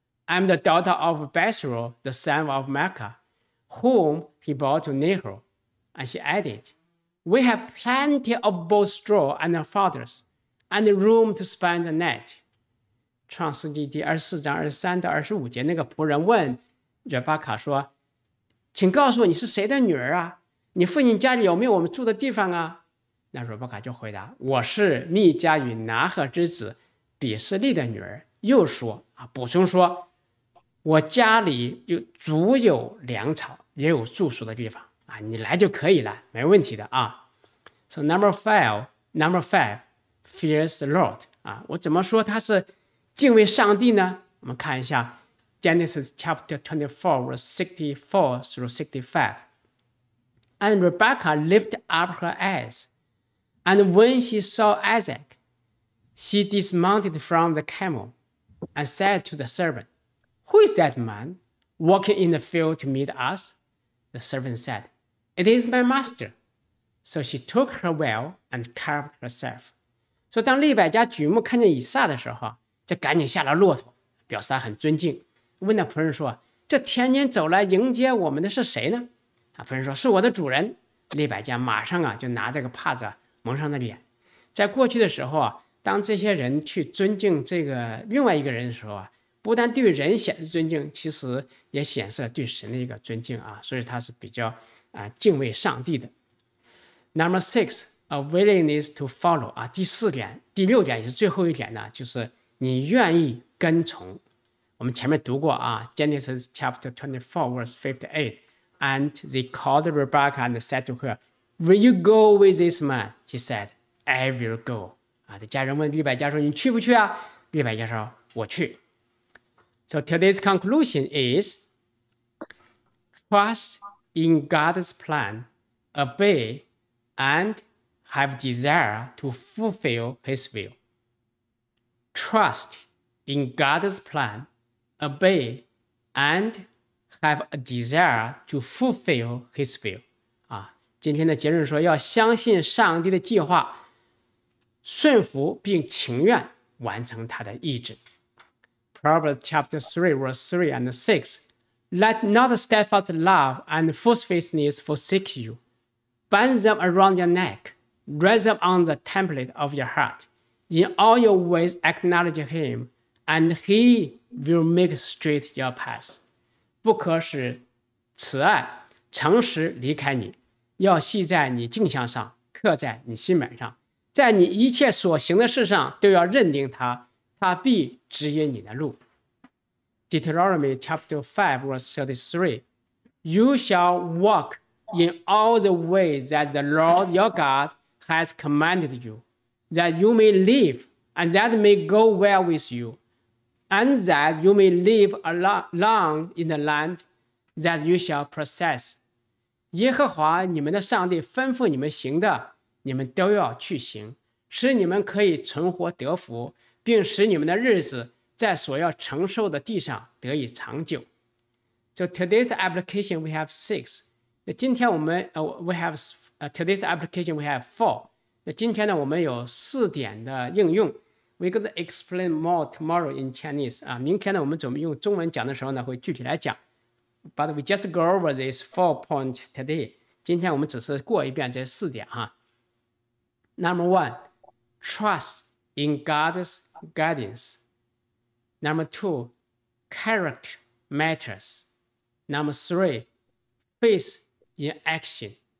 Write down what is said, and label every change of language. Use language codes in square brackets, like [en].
[en] I'm the daughter of Bethuel, the son of Micah, whom he brought to Nahor. And she added, we have plenty of both straw and fodders, and room to spend the night. [zh] 创世纪第24章23到25节，那个仆人问约巴卡说，请告诉我你是谁的女儿啊，你父亲家里有没有我们住的地方啊？那约巴卡就回答，我是密加与拿赫之子比斯利的女儿。又说啊，补充说，我家里就足有粮草，也有住宿的地方啊，你来就可以了，没问题的啊。 [en] So number five, fears the Lord [zh] 啊，我怎么说他是敬畏上帝呢？我们看一下 Genesis chapter 24 verse 64 through 65. [en] And Rebecca lifted up her eyes, and when she saw Isaac, she dismounted from the camel, and said to the servant, "Who is that man walking in the field to meet us?" The servant said, "It is my master." So she took her veil and covered herself. [zh] 所以当利百加举目看见以撒的时候，就赶紧下了骆驼，表示他很尊敬，问那仆人说，这天天走来迎接我们的是谁呢？啊，仆人说，是我的主人。利百加马上啊就拿这个帕子蒙上了脸。在过去的时候啊，当这些人去尊敬这个另外一个人的时候啊，不但对人显示尊敬，其实也显示了对神的一个尊敬啊，所以他是比较啊敬畏上帝的。 [en] Number six, a willingness to follow. [zh] 啊，第四点，第六点也是最后一点呢，就是你愿意跟从。我们前面读过啊 [en] ，Genesis chapter 24 verse 58, and they called Rebecca and said to her, "Will you go with this man?" She said, "I will go." [zh] 啊，这家人问利百加说，你去不去啊？利百加说，我去。 [en] So today's conclusion is: trust in God's plan, obey, and have desire to fulfill His will. Trust in God's plan, obey, and have a desire to fulfill His will. [zh] 啊，今天的结论说要相信上帝的计划，顺服并情愿完成他的意志。 [en] Proverbs chapter 3 verse 3 and 6. Let not steadfast love and faithfulness forsake you. Bind them around your neck. Write them on the template of your heart. In all your ways acknowledge him, and he will make straight your path. [zh] 不可使慈爱、诚实离开你，要系在你颈项上，刻在你心门上，在你一切所行的事上都要认定他，他必指引你的路。 [en] Deuteronomy chapter 5 verse 33, You shall walk in all the ways that the Lord your God has commanded you, that you may live, and that may go well with you, and that you may live long in the land that you shall possess. [zh] 耶和华你们的上帝吩咐你们行的，你们都要去行，使你们可以存活得福，并使你们的日子在所要承受的地上得以长久。 [en] So today's application we have six. [zh] 那今天我们 [en] today's application we have four. [zh] 那今天呢我们有四点的应用。 [en] We're going to explain more tomorrow in Chinese. [zh] 啊，明天呢我们准备用中文讲的时候呢会具体来讲。 [en] But we just go over these four points today. [zh] 今天我们只是过一遍这四点哈。 [en] Number one, trust in God'sGuidance. Number two, character matters. Number three, faith in action.